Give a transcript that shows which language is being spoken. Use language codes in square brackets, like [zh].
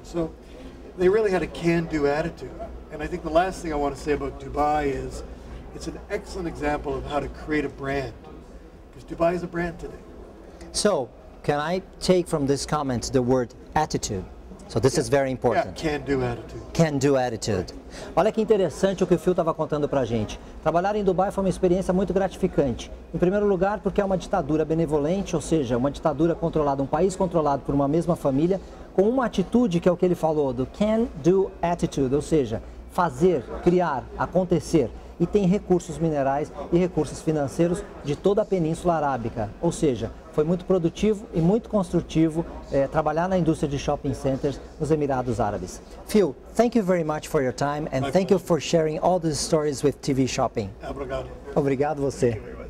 [en] So they really had a can-do attitude. And I think the last thing I want to say about Dubai is it's an excellent example of how to create a brand, because Dubai is a brand today. So can I take from this comment the word attitude? So this is very important. Yeah, can-do attitude. Can-do attitude. [pt] Olha que interessante o que o Phil estava contando para a gente. Trabalhar em Dubai foi uma experiência muito gratificante. Em primeiro lugar, porque é uma ditadura benevolente, ou seja, uma ditadura controlada, um país controlado por uma mesma família, com uma atitude que é o que ele falou, do can-do attitude, ou seja, fazer, criar, acontecer. E tem recursos minerais e recursos financeiros de toda a Península Arábica. Ou seja, foi muito produtivo e muito construtivo trabalhar na indústria de shopping centers nos Emirados Árabes. [en] Phil, thank you very much for your time and thank you for sharing all these stories with TV Shopping. [pt] Obrigado. Obrigado você.